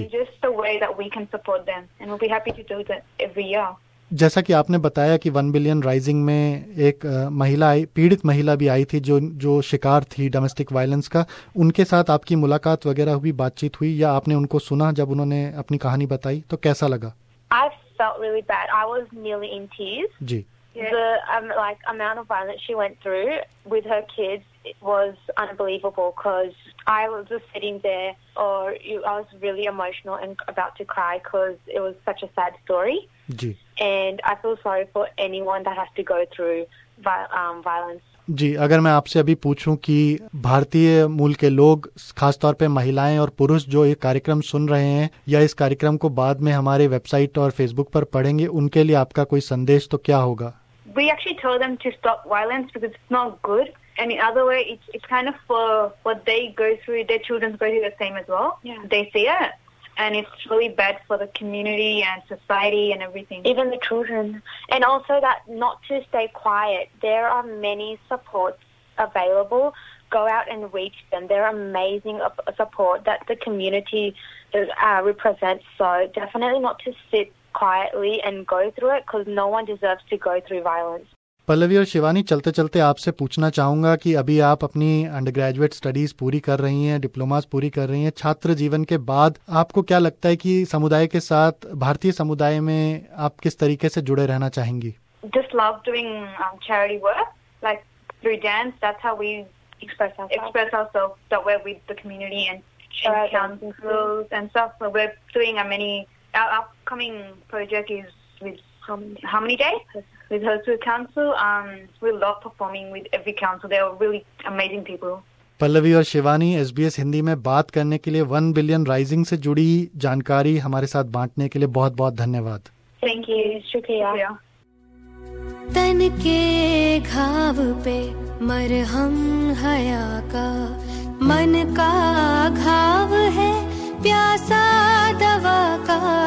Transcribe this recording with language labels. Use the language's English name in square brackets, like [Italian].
[English] and just the way that we can support them, and we'll be happy to do that every year. [Hindi] जैसा कि आपने बताया कि 1 billion rising में एक महिला आई, पीड़ित महिला भी आई थी जो शिकार थी डोमेस्टिक वायलेंस का, उनके साथ आपकी मुलाकात वगैरह हुई, बातचीत हुई, या आपने उनको सुना जब उन्होंने अपनी कहानी बताई, तो कैसा लगा? [English] I felt really bad. I was nearly in tears. [Hindi] Ji. [English] The amount of violence she went through with her kids was unbelievable, because I was just sitting there, or I was really emotional and about to cry, because it was such a sad story. [Hindi] Ji. [English] And I feel sorry for anyone that has to go through violence [Hindi] जी, अगर मैं आपसे अभी पूछूं कि भारतीय मूल के लोग, खासतौर पे महिलाएं और पुरुष जो ये कार्यक्रम सुन रहे हैं या इस कार्यक्रम को बाद में हमारे वेबसाइट और फेसबुक पर पढ़ेंगे, उनके लिए आपका कोई संदेश तो क्या होगा? [English] We actually tell them to stop violence because it's not good. And the other way, it's kind of for what they go through, their children go through the same as well. Yeah. They see it. And it's really bad for the community and society and everything. Even the children. And also that not to stay quiet. There are many supports available. Go out and reach them. They're amazing support that the community represents. So definitely not to sit quietly and go through it because no one deserves to go through violence. [Hindi] Pallavi और शिवानी, चलते चलते आपसे पूछना चाहूंगा कि अभी आप अपनी अंडरग्रेजुएट स्टडीज पूरी कर रही हैं, डिप्लोमास पूरी कर रही हैं, छात्र जीवन के बाद आपको क्या लगता है कि समुदाय के साथ, भारतीय समुदाय में आप किस तरीके से जुड़े रहना चाहेंगी? [English] Just love doing charity work, like through dance, that's how we express ourselves, that we're with the community and councils and stuff. So we're doing many, our upcoming project is with Harmony Day. With Hosur Council, we love performing with every council. They are really amazing people. [Hindi] Pallavi और Shivani, SBS Hindi में बात करने के लिए, 1 billion rising से जुड़ी जानकारी हमारे साथ बांटने के लिए बहुत बहुत धन्यवाद. [English] Thank you. [Hindi] शुक्रिया. तन के घाव पे मरहम हया का, मन का घाव है प्यासा दवा का.